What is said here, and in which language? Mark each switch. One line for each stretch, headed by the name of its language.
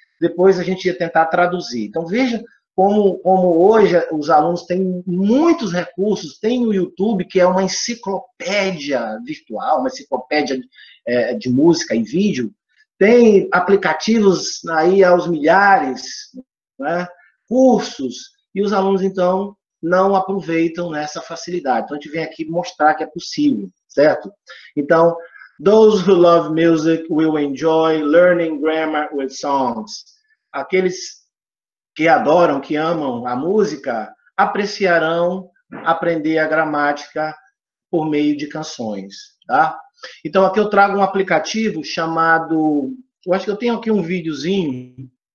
Portuguese: Depois a gente ia tentar traduzir. Então, veja, como hoje os alunos têm muitos recursos, tem o YouTube, que é uma enciclopédia virtual, uma enciclopédia de música e vídeo, tem aplicativos aí aos milhares, né, cursos, e os alunos, então, não aproveitam nessa facilidade. Então, a gente vem aqui mostrar que é possível, certo? Então,
English: those who love music will enjoy learning grammar with songs.
Portuguese: Aqueles que adoram, que amam a música, apreciarão aprender a gramática por meio de canções. Tá? Então, aqui eu trago um aplicativo chamado... Eu acho que eu tenho aqui um videozinho.